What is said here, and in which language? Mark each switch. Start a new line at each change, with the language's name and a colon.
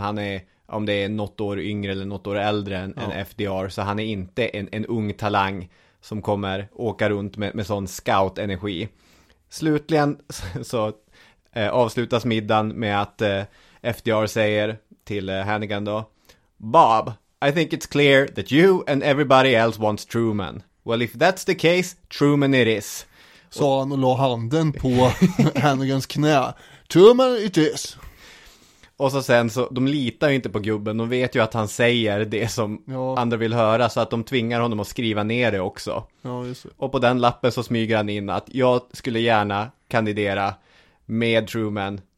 Swedish: Han är, om det är något år yngre eller något år äldre än FDR. Så han är inte en ung talang som kommer åka runt med sån scout-energi. Slutligen så avslutas middagen med att FDR säger till Hannigan då.
English: Bob, I think it's clear that you and everybody else wants Truman. Well, if that's the case, Truman it is.
Swedish: Sa han och la handen på Hannigans knä.
English: Truman it is.
Swedish: Och så sen så, de litar ju inte på gubben. De vet ju att han säger det som andra vill höra. Så att de tvingar honom att skriva ner det också. Ja, just det. Och på den lappen så smyger han in att jag skulle gärna kandidera med Truman.